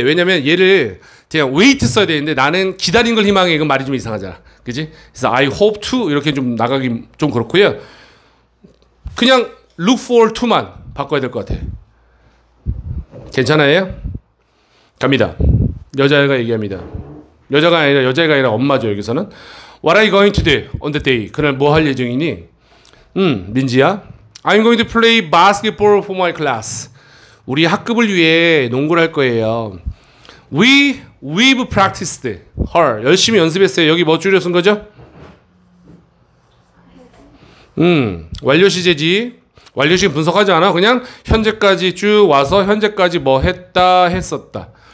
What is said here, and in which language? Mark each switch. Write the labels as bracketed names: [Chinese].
[Korean] 왜냐면 얘를 그냥 wait 써야 되는데 나는 기다린 걸 희망해. 이건 말이 좀 이상하잖아. 그치? 그래서 [English] I hope to [Korean] 이렇게 좀 나가기 좀 그렇고요. 그냥 look forward to만 바꿔야 될 것 같아. 괜찮아요? 갑니다. 여자애가 얘기합니다. 여자애가 아니라 엄마죠. 여기서는 [English] What are you going to do on the day? [Korean] 그날 뭐 할 예정이니? [English] 민지야, I'm going to play basketball for my class. [Korean] 우리 학급을 위해 농구를 할 거예요. [English] We've practiced her. [Korean] 열심히 연습했어요. 여기 뭐 줄여 쓴 거죠? 완료시제지. 완료식 분석하지 않아. 그냥 현재까지 쭉 와서 현재까지 뭐 했다 했었다.